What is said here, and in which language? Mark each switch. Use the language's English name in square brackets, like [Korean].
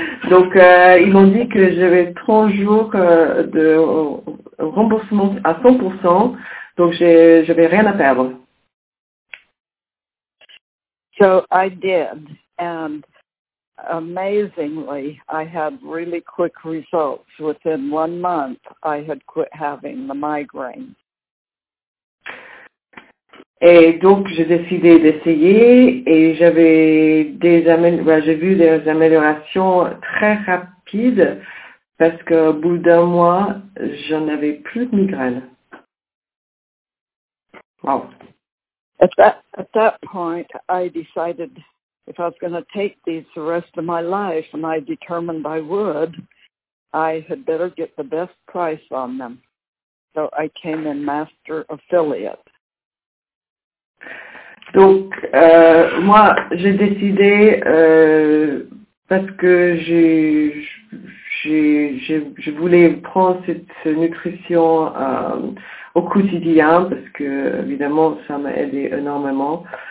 [French] Donc, ils m'ont dit que j'avais 30 jours de remboursement à 100%, donc j'avais rien à perdre. [English] So I did, and amazingly, I had really quick results. Within 1 month, I had quit having the migraine. [French] Et donc, j'ai décidé d'essayer et j'ai vu des améliorations très rapides parce qu'au bout d'un mois, je n'avais plus de migraine. [English] Wow. At that point, I decided if I was going to take these the rest of my life, and I determined I would, I had better get the best price on them. So I came in master affiliate. [French] Donc, moi, j'ai décidé, parce que je voulais prendre cette nutrition au quotidien, parce que, évidemment, ça m'a aidé énormément.